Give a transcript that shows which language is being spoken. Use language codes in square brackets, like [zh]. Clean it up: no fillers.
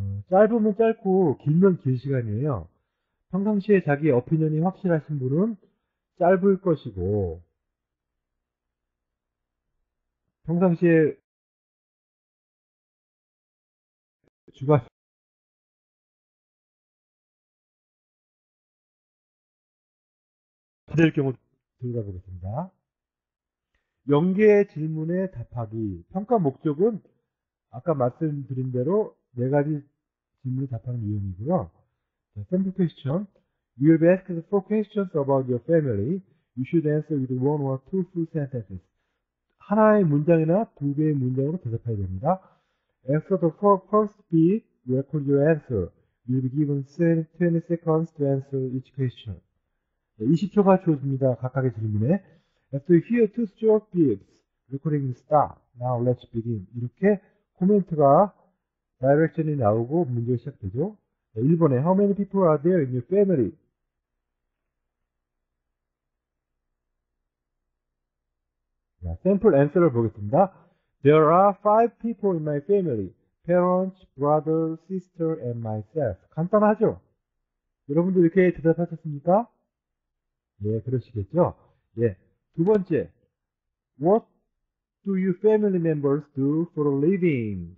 [ko] 짧으면 짧고 길면 길 시간이에요. 평상시에 자기 어피니언이 확실하신 분은 짧을 것이고 평상시에 주관 받을 경우 들어보겠습니다. 연계 질문에 답하기. 평가 목적은 아까 말씀드린 대로 네 가지 질문에 답하는 유형이고요. [en] Sample question. You have asked four questions about your family. You should answer with one or two full sentences. [ko] 하나의 문장이나 두 개의 문장으로 대답해야 됩니다. [en] After the first bit, record your answer. will be given 20 seconds to answer each question. [ko] 20초가 주어집니다. 각각의 질문에. [en] After you hear two short beeps, recording start. Now let's begin. [ko] 이렇게 코멘트가 direction이 나오고 문제가 시작되죠. 1번에 [en] How many people are there in your family? [ko] 자, [en] sample answer를 [ko] 보겠습니다. [en] There are five people in my family. Parents, brother, sister, and myself. [ko] 간단하죠? 여러분도 이렇게 대답하셨습니까? 예, 그러시겠죠? 예. 두 번째. [en] What do your family members do for a living?